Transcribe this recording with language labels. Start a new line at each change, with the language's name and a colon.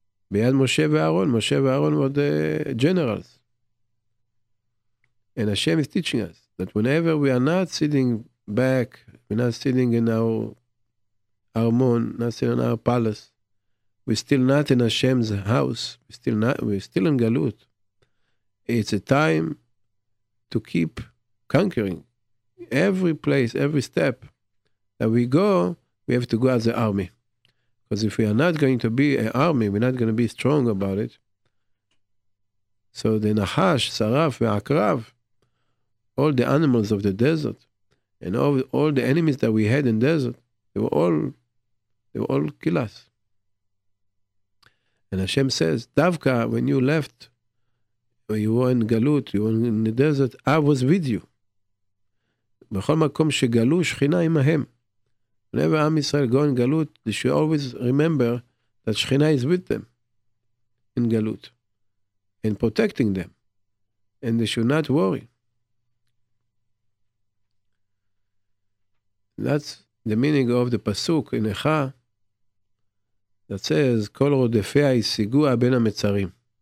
Hebrew: ביד משה ואהרון, משה ואהרון
English: were the generals. And Hashem is teaching us that whenever we are not sitting back, we're not sitting in our armon, not sitting in our palace, we're still not in Hashem's house, we're still in Galut. It's a time to keep conquering every place, every step that we go, we have to go as an army. Because if we are not going to be an army, we're not going to be strong about it. So the Nahash, Saraf, Ve'akrav, all the animals of the desert, and all the enemies that we had in the desert, they were all kill us. And Hashem says, Davka, when you left, when you were in Galut, you were in the desert, I was with you.
Hebrew: בכל מקום שגלו שכינה עמהם.
English: Whenever Am Yisrael go in Galut, they should always remember that שכינה is with them in Galut and protecting them. And they should not worry. That's the meaning of the pasuk in Echa that says,
Hebrew: כל רודפיה ישיגוה בין המצרים.